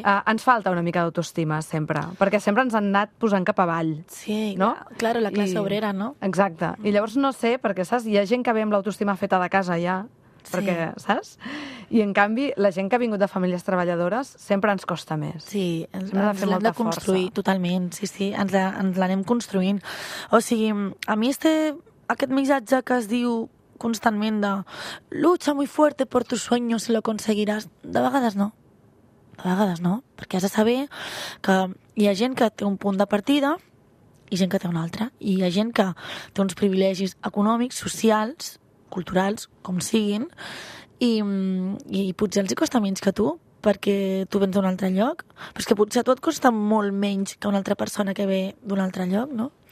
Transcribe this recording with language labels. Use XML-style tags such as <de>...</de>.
<ca>Ens falta una mica d'autoestima sempre, perquè sempre ens han anat posant cap avall. Sí, no? Claro, la classe obrera, no? Exacte. I llavors no sé, perquè saps, hi ha gent que ve amb l'autoestima feta de casa ja, sí. perquè, saps? I en canvi, la gent que ha vingut de famílies treballadores sempre ens costa més. Sí, ens l'hem de construir força. Totalment, sí, sí, ens l'anem construint. O sigui, a mi este, aquest missatge que es diu constantment de</ca> <es>lucha muy fuerte por tus sueños si lo conseguirás,</es> <ca>de vegades no. De vegades no, perquè has de saber que hi ha gent que té un punt de partida i gent que té un altre. I hi ha gent que té uns privilegis econòmics, socials, culturals, com siguin, i potser els costa menys que tu, perquè tu vens d'un altre lloc, però és que potser a tu et costa molt menys que una altra persona que ve d'un altre lloc, no?</ca>